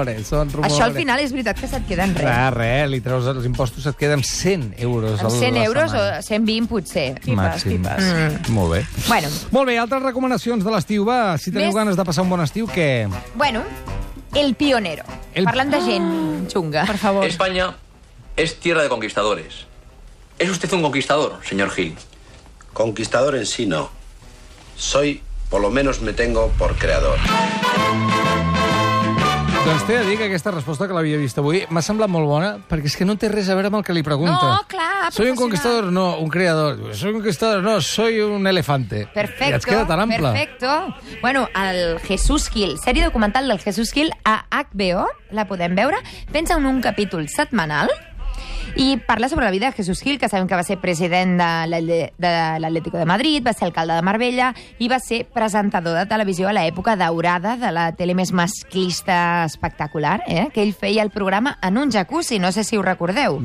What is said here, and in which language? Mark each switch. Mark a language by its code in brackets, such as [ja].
[ca] Són rumores. Això al final és veritat que se't queden res. Res, li treus els impostos, se't queden 100 euros. Amb 100 euros o 120, potser. Màxim. Molt bé. Bueno. Molt bé, altres recomanacions de l'estiu, va. Si teniu ganes de passar un bon estiu, què? Bueno, El Pionero. Parlant de gent xunga. Per favor. [es] España es tierra de conquistadores. ¿Es usted un conquistador, señor Gil? Conquistador en sí, no. Soy, por lo menos me tengo por creador. [ca] Doncs t'he de dir que aquesta resposta que l'havia vist avui m'ha semblat molt bona, perquè és que no té res a veure amb el que li pregunta. No, clar. [es] Soy un conquistador, no, un creador. Soy un conquistador, no, soy un elefante. Perfecto. [ca] I et queda tan ample. [es] Perfecto. [ca] Bueno, el Jesús Gil, sèrie documental del Jesús Gil a HBO, la podem veure, pensa en un capítol setmanal i parla sobre la vida de Jesús Gil, que sabem que va ser president de l'Atlético de Madrid, va ser alcalde de Marbella i va ser presentador de televisió a l'època daurada de la tele més masclista espectacular, que ell feia el programa en un jacuzzi, no sé si ho recordeu.